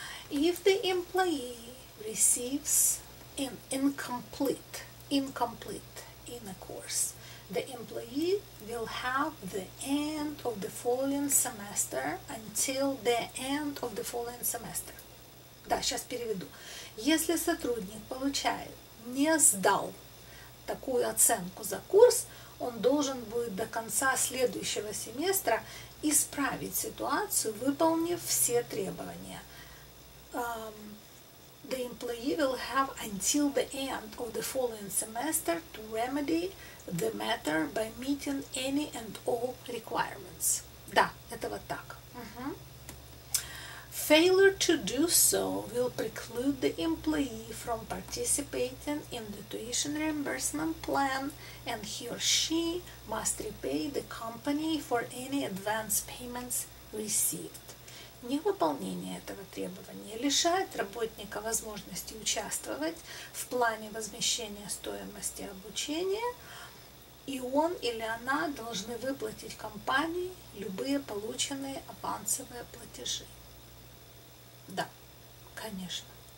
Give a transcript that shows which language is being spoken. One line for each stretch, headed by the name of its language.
English: If the employee receives an incomplete in a course, the employee will have the end of the following semester until the end of the following semester.
Russian: Да, сейчас переведу. Если сотрудник получает, не сдал такую оценку за курс, он должен будет до конца следующего семестра исправить ситуацию, выполнив все требования.
English: The employee will have until the end of the following semester to remedy the matter by meeting any and all requirements.
Russian: Да, это вот так.
English: Failure to do so will preclude the employee from participating in the tuition reimbursement plan, and he or she must repay the company for any advance payments received.
Russian: Невыполнение этого требования лишает работника возможности участвовать в плане возмещения стоимости обучения, и он или она должны выплатить компании любые полученные авансовые платежи. Да, конечно.